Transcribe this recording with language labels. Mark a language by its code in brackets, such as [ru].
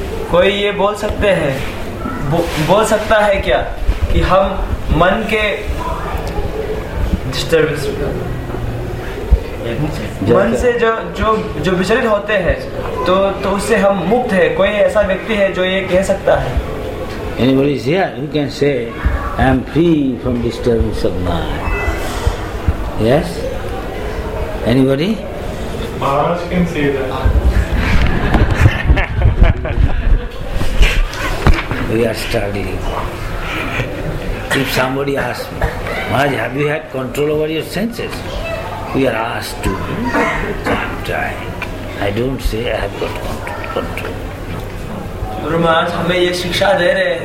[hi] कोई ये बोल सकते हैं, बोल सकता है क्या कि हम मन के मन से जो जो जो विचलित होते हैं तो उससे हम मुक्त है? कोई ऐसा व्यक्ति है जो ये कह सकता है? [en] Anybody is here who can say I am free from disturbance of mind? Yes? Anybody? Maharaj can say that. We are struggling. If somebody asks me, Maharaj, have you had control over your senses? We are asked to. So I'm trying. I don't say I have got control. [hi] Guru Maharaj, हमें ये शिक्षा दे रहे हैं।